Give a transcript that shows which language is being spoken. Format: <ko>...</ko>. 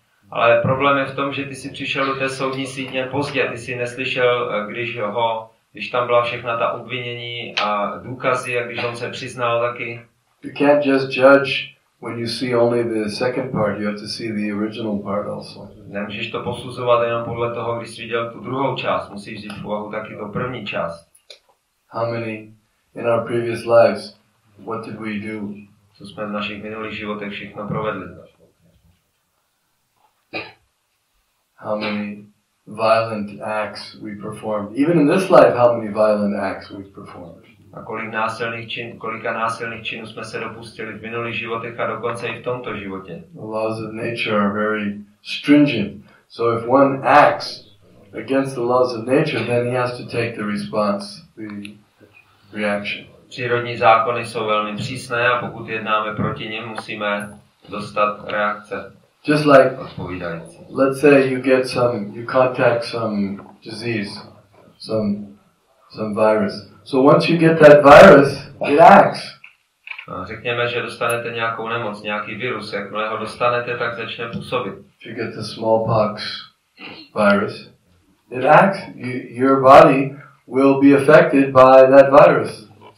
<cs>Ale problém je v tom, že ty jsi přišel do té soudní sítě pozdě. Ty jsi neslyšel, když tam byla všechna ta obvinění a důkazy, a když on se přiznal taky.</cs> <en>You can't just judge when you see only the second part, you have to see the original part also.</en> <cs>Nemůžeš to posuzovat jenom podle toho, když jsi viděl tu druhou část, musíš vzít v úvahu taky tu první část.</cs> <en>How many in our previous lives, what did we do?</en> <cs>Co jsme v našich minulých životech všechno provedli?</cs> <en>How many violent acts we performed. Even in this life, how many violent acts we performed.</en> <cs>A kolika násilných činů jsme se dopustili v minulých životech a dokonce i v tomto životě.</cs> <en>The laws of nature are very stringent. So if one acts against the laws of nature, then he has to take the response, the reaction.</en> <cs>Přírodní zákony jsou velmi přísné a pokud jednáme proti nim, musíme dostat reakce.</cs> <en>Just like, let's say you contact some disease, some virus. So once you get that virus, it acts.</en> <cs>A řekněme, že dostanete nějakou nemoc, nějaký virus, jakmile ho dostanete, tak začne působit.</cs> <en>If you get the smallpox virus, it acts. Your body will be affected by that virus.</en>